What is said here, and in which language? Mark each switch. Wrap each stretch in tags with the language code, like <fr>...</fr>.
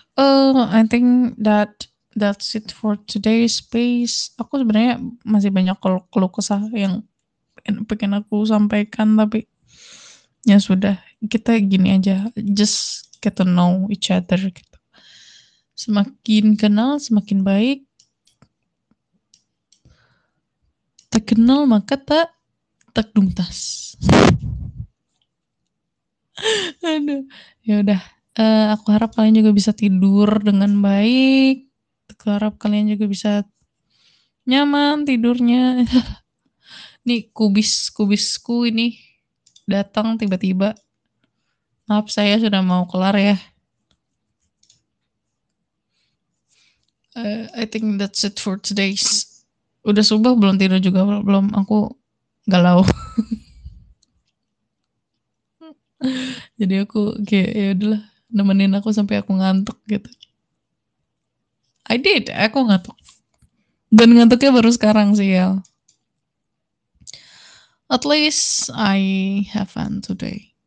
<en>I think that's it for today's space.</en> <id>Aku sebenarnya masih banyak keluh kesah yang pengen aku sampaikan, tapi ya sudah. Kita gini aja.</id> <en>Just get to know each other.</en> <id>Semakin kenal, semakin baik. Tak kenal, maka tak dumtas. Aduh. Yaudah. Aku harap kalian juga bisa tidur dengan baik. Aku harap kalian juga bisa nyaman tidurnya. Nih, kubisku ini datang tiba-tiba. Maaf, saya sudah mau kelar ya.</id> <en>I think that's it for today's.</en> <id>Udah subuh belum tidur juga belum? Aku galau. Jadi aku kayak ya udahlah nemenin aku sampai aku ngantuk gitu.</id> <en>I did,</en> <id>aku ngantuk. Dan ngantuknya baru sekarang sih ya.</id> <en>At least I have fun today.</en>